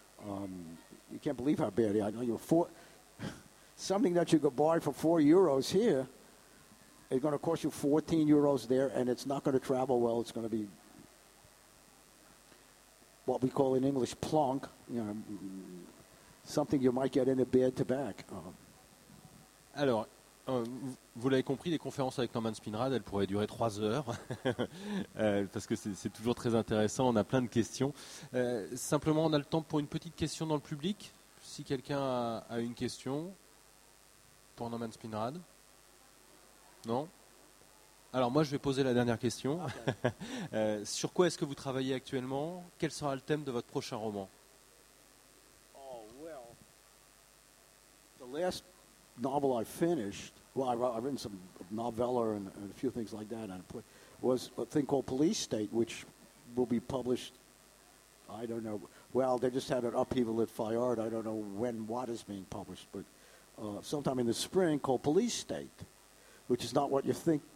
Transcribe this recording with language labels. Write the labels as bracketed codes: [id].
[en] You can't believe how bad it is. I know something that you could buy for 4 euros here is going to cost you 14 euros there, and it's not going to travel well. It's going to be what we call in English plonk, something you might get in a bad tobacco. [fr] Alors, vous l'avez compris, les conférences avec Norman Spinrad, elles pourraient durer 3 heures, parce que c'est toujours très intéressant, on a plein de questions. Simplement, on a le temps pour une petite question dans le public, si quelqu'un a une question pour Norman Spinrad. Non ? Alors moi, je vais poser la dernière question. Okay. Sur quoi est-ce que vous travaillez actuellement? Quel sera le thème de votre prochain roman? [en] Oh, well, the last novel I finished, I've written some novella and a few things like that, and put, was a thing called Police State, which will be published, I don't know. Well, they just had an upheaval at Fayard. I don't know when what is being published, but sometime in the spring, called Police State, which is not what you think.